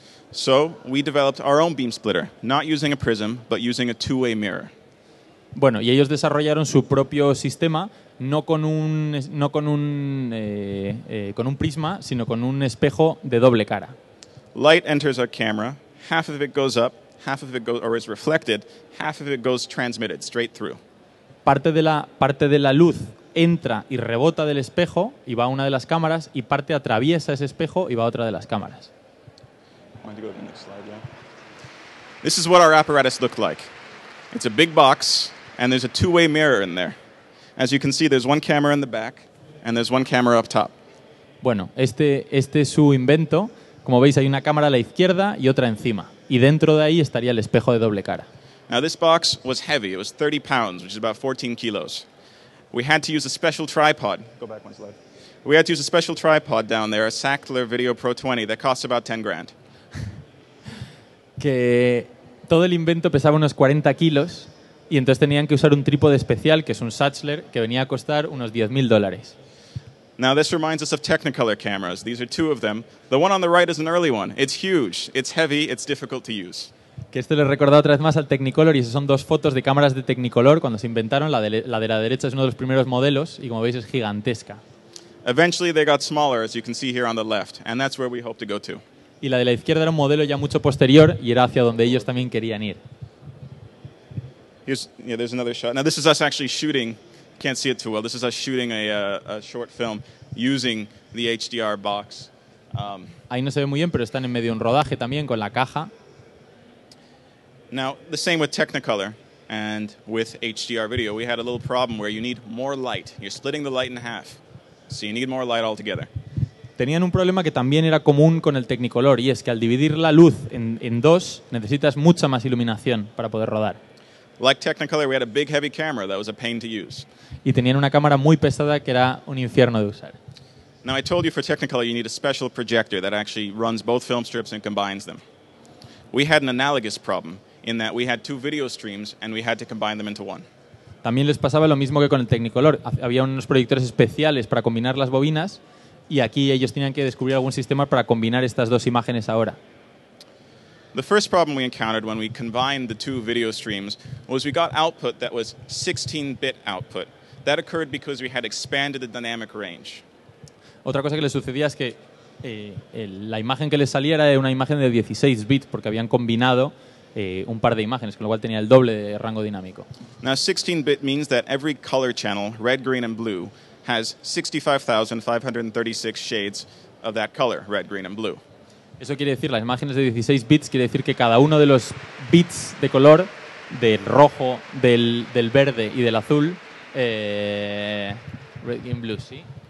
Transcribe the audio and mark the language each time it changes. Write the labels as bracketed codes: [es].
[en] So, we developed our own beam splitter, not using a prism, but using a two-way mirror. [es] Bueno, y ellos desarrollaron su propio sistema, con un prisma, sino con un espejo de doble cara. [en] Light enters our camera, half of it goes up, half of it goes, or is reflected, half of it goes transmitted straight through. [es] Parte de la luz entra y rebota del espejo y va a una de las cámaras y parte atraviesa ese espejo y va a otra de las cámaras. [en] I want to go to the next slide, yeah. This is what our apparatus looked like. It's a big box and there's a two-way mirror in there. As you can see, there's one camera in the back and there's one camera up top. [es] Bueno, este es su invento. Como veis, hay una cámara a la izquierda y otra encima. Y dentro de ahí estaría el espejo de doble cara. [en] Now this box was heavy. It was 30 pounds, which is about 14 kilos. We had to use a special tripod. Go back one slide. We had to use a special tripod down there, a Sackler Video Pro 20 that costs about 10 grand. [es] Que todo el invento pesaba unos 40 kilos y entonces tenían que usar un trípode especial, que es un Sackler, que venía a costar unos $10,000. [en] Now this reminds us of Technicolor cameras. These are two of them. The one on the right is an early one. It's huge. It's heavy. It's difficult to use. [es] Que esto le recuerda otra vez más al Technicolor y esas son dos fotos de cámaras de Technicolor cuando se inventaron. La de la derecha es uno de los primeros modelos y como veis es gigantesca. [en] Eventually they got smaller, as you can see here on the left, and that's where we hope to go to. [es] Y la de la izquierda era un modelo ya mucho posterior y era hacia donde ellos también querían ir. [en] There's another shot. Now this is us actually shooting. Can't see it too well. This is us shooting a short film using the HDR box. [es] Ahí no se ve muy bien, pero están en medio de un rodaje también con la caja. [en] Now, the same with Technicolor and with HDR video. We had a little problem where you need more light. You're splitting the light in half. So you need more light altogether. [es] Tenían un problema que también era común con el Technicolor, y es que al dividir la luz en dos, necesitas mucha más iluminación para poder rodar. [en] Like Technicolor, we had a big, heavy camera that was a pain to use. [es] Y tenían una cámara muy pesada que era un infierno de usar. [en] Now, I told you for Technicolor, you need a special projector that actually runs both film strips and combines them. We had an analogous problem in that we had two video streams and we had to combine them into one. [es] También les pasaba lo mismo que con el Technicolor. Había unos proyectores especiales para combinar las bobinas y aquí ellos tenían que descubrir algún sistema para combinar estas dos imágenes ahora. [en] The first problem we encountered when we combined the two video streams was we got output that was 16-bit output. That occurred because we had expanded the dynamic range. [es] Otra cosa que les sucedía es que la imagen que les salía era una imagen de 16-bit porque habían combinado un par de imágenes, con lo cual tenía el doble de rango dinámico. [en] Now 16-bit means that every color channel, red, green and blue, has 65,536 shades of that color, red, green and blue. [es] Eso quiere decir, las imágenes de 16 bits, quiere decir que cada uno de los bits de color, del rojo, del verde y del azul, [en] red, green, blue, [es] ¿sí?